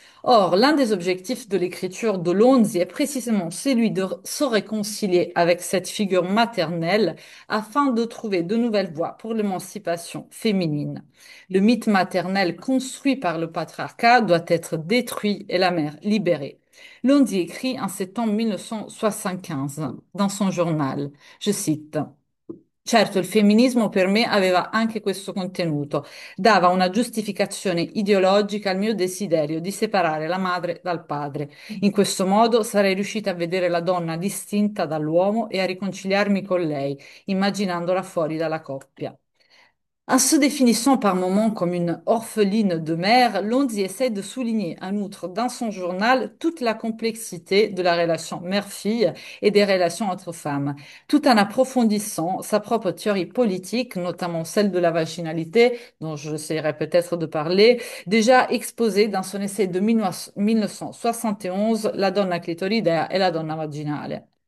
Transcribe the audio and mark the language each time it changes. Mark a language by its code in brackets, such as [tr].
[fr] Or, l'un des objectifs de l'écriture de Lonzi est précisément celui de se réconcilier avec cette figure maternelle afin de trouver de nouvelles voies pour l'émancipation féminine. Le mythe maternel construit par le patriarcat doit être détruit et la mère libérée. [it] Lonzi écrit en septembre 1975 dans son journal, je cite: certo, il femminismo per me aveva anche questo contenuto, dava una giustificazione ideologica al mio desiderio di separare la madre dal padre. In questo modo sarei riuscita a vedere la donna distinta dall'uomo e a riconciliarmi con lei, immaginandola fuori dalla coppia. [fr] En se définissant par moments comme une orpheline de mère, Lonzi essaie de souligner en outre dans son journal toute la complexité de la relation mère-fille et des relations entre femmes, tout en approfondissant sa propre théorie politique, notamment celle de la vaginalité, dont j'essaierai peut-être de parler, déjà exposée dans son essai de 1971, La donna clitoridea e la donna vaginale.